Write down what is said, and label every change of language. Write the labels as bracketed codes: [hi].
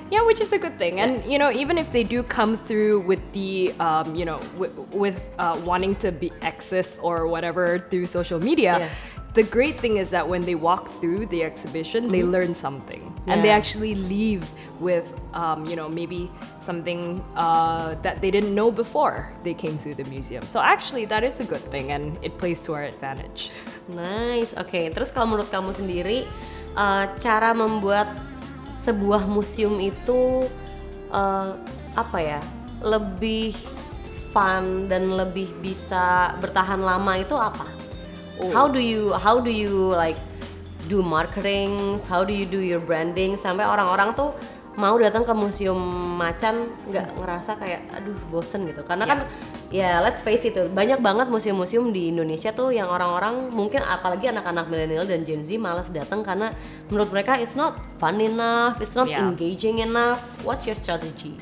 [en] Yeah, which is a good thing. Yeah. And you know, even if they do come through with the you know, with wanting to be accessed or whatever through social media, the great thing is that when they walk through the exhibition, they learn something. And they actually leave with you know, maybe something that they didn't know before they came through the museum. So actually that is a good thing and it plays to our advantage. Nice. Okay. [id] Terus kalau menurut kamu sendiri, cara membuat sebuah museum itu apa ya, lebih fun dan lebih bisa bertahan lama itu apa? [en] How do you like do marketings? How do your branding [id] sampai orang-orang tuh mau datang ke Museum Machan nggak ngerasa kayak aduh bosen gitu? Karena kan ya [en] let's face it, [id] banyak banget museum-museum di Indonesia tuh yang orang-orang mungkin apalagi anak-anak milenial dan Gen Z malas datang karena menurut mereka [en] it's not fun enough, it's not engaging enough. What's your strategy?